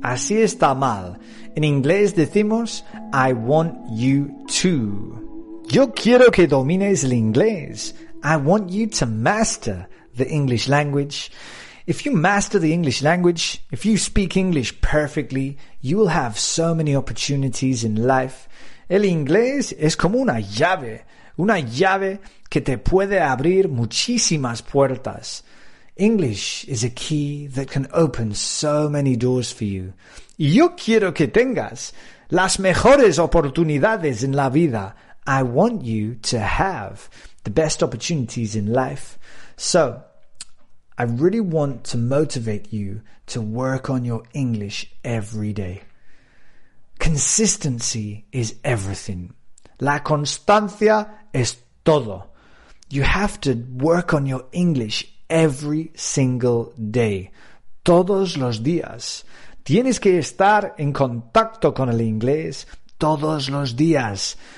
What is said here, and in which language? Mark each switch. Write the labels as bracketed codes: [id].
[es] Así está mal. En inglés decimos, [en] I want you to. [es] Yo quiero que domines el inglés. [en] I want you to master the English language. If you master the English language, if you speak English perfectly, you will have so many opportunities in life. [es] El inglés es como una llave que te puede abrir muchísimas puertas. [en] English is a key that can open so many doors for you. [es] Y yo quiero que tengas las mejores oportunidades en la vida. [en] I want you to have the best opportunities in life. So, I really want to motivate you to work on your English every day. Consistency is everything. [es] La constancia es todo. [en] You have to work on your English every single day. [es] Todos los días. Tienes que estar en contacto con el inglés todos los días.